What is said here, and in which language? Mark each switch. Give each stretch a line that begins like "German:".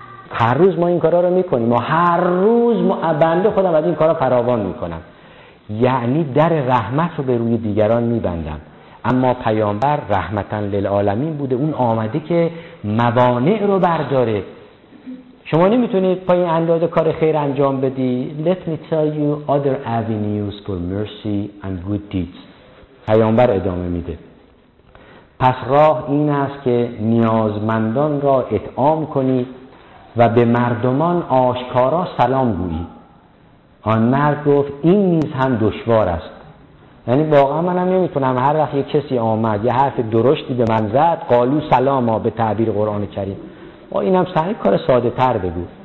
Persian: هر روز ما این کارا رو میکنیم، ما هر روز، ما بنده خودم از این کارا فراوان میکنم، یعنی در رحمت رو به روی دیگران میبندم. اما پیامبر رحمتن للعالمین بوده، اون آمده که موانع رو برداره. شما نمیتونید پای این انداز کار خیر انجام بدی.
English: Let me tell you other avenues for mercy and good deeds.
Persian: پیامبر ادامه میده پس راه این است که نیازمندان را اطعام کنی و به مردمان آشکارا سلام گویی. آن مرد گفت این نیز هم دشوار است. یعنی واقعا منم نمیتونم هر وقت یه کسی آمد یه حرف درشتی به من زد
Arabic: قالو سلاما
Persian: به تعبیر قرآن کریم، و اینم سعی کار ساده تر بگو.